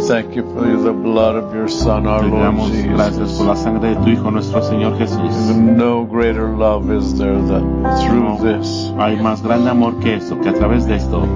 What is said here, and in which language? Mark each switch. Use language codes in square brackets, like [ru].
[en] We thank you for the blood of your Son, our Lord Jesus. [es] Te damos gracias por la sangre de tu Hijo, nuestro Señor Jesús. [en] No greater love is there than through this. [es] Hay más grande amor que esto, que a través de esto.